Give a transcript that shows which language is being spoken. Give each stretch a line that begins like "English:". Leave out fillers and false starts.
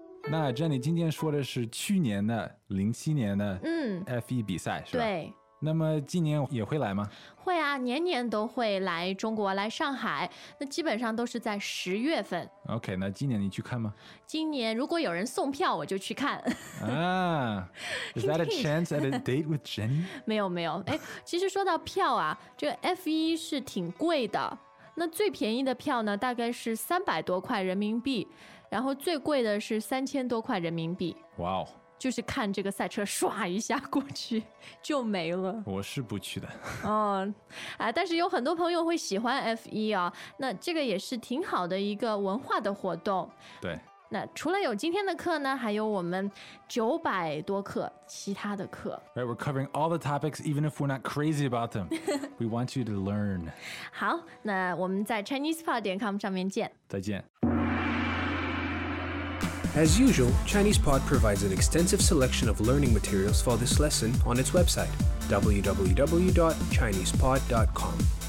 Chinese: 那 Jenny 今天说的是去年的07年的 F1 比赛、嗯、是吧？对。那么今年也会来吗？会啊，年年都会来中国，来上海，那基本上都是在十月份。 OK, 那今年你去看吗？今年如果有人送票我就去看。
English: 啊，Is that a chance at a date with Jenny?
Chinese: 没有没有，其实说到票啊，这个 F1 是挺贵的，那最便宜的票呢大概是300多块人民币，然后最贵的是3000多块人民币。哇哦，就是看这个赛车刷一下过去就没了。我是不去的。但是有很多朋友会喜欢 F1 啊，那这个也是挺好的一个文化的活动。对，那除了有今天的课呢，还有我们900多课其他的课。
English: Right, we're covering all the topics even if we're not crazy about them. We want you to learn.
Chinese: 好，那我们在 ChinesePod.com 上面见。再见。
English: As usual, ChinesePod provides an extensive selection of learning materials for this lesson on its website, www.chinesepod.com.